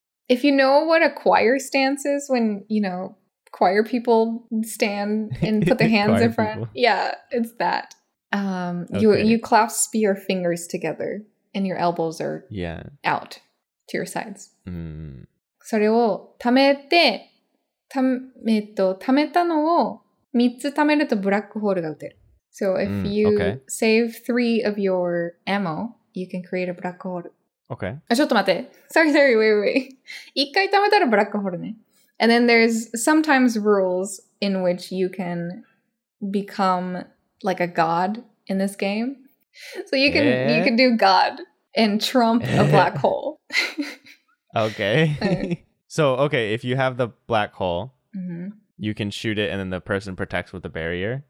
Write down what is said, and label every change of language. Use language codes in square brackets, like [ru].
[en] If you know what a choir stance is, when, you know, choir people stand and put their hands in front. People. Yeah, it's that. Okay. You clasp your fingers together and your elbows are out to your sides. Mm. [ja] それをためて、ため、ためたのを3つためるとブラックホールが打てる。 [en] So if you save three of your ammo, you can create a black hole. Okay. [ja] あ、ちょっと待って。 [en] Sorry, wait. [ja] 一回貯めたらブラックホールね。 [en] And then there's sometimes rules in which you can become like a god in this game. So you can you can do god and trump a black hole. Okay. So, okay, if you have the black hole, you can shoot it and then the person protects with the barrier.